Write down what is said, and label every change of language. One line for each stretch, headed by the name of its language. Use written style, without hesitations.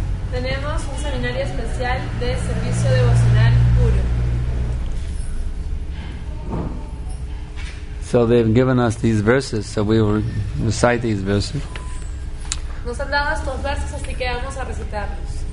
Spanish: Tenemos un seminario especial de servicio devocional puro.
English: So they've given us these verses, so we will recite these verses.
Spanish: Nos han dado estos versos, así que vamos a recitarlos.